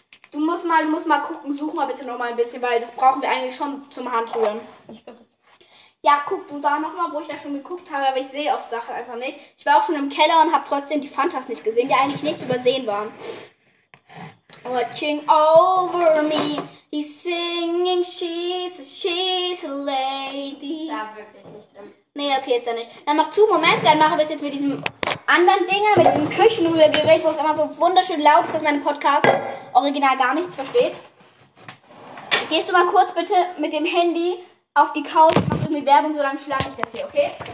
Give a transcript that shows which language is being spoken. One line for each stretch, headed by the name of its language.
German: Du musst mal gucken, such mal bitte noch mal ein bisschen, weil das brauchen wir eigentlich schon zum Handrühren. Ja, guck du da noch mal, wo ich da schon geguckt habe, aber ich sehe oft Sachen einfach nicht. Ich war auch schon im Keller und habe trotzdem die Fantas nicht gesehen, die eigentlich nicht übersehen waren.
English: Watching over me, he's singing, she's a lady.
German: Da wirklich nicht drin. Nee, okay, ist da nicht. Dann mach zu, Moment, dann machen wir es jetzt mit diesem... anderen Dinge mit dem Küchenrührgerät, wo es immer so wunderschön laut ist, dass mein Podcast original gar nichts versteht. Gehst du mal kurz bitte mit dem Handy auf die Couch, mach irgendwie Werbung, so lange schlage ich das hier, okay?